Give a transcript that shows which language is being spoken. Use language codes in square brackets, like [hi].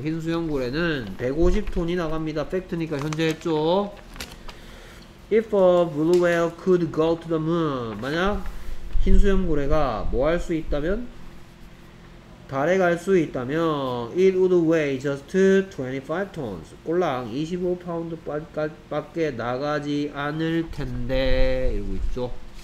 [ko] 흰 수염 고래는 150톤이 나갑니다. 팩트니까 현재 했죠. [en] If a blue whale could go to the moon. [ko] 만약 흰 수염 고래가 뭐 할 수 있다면? 달에 갈 수 있다면 [en] it would weigh just 25 tons. [ko] 꼴랑 25파운드 밖에 나가지 않을 텐데 이러고 있죠.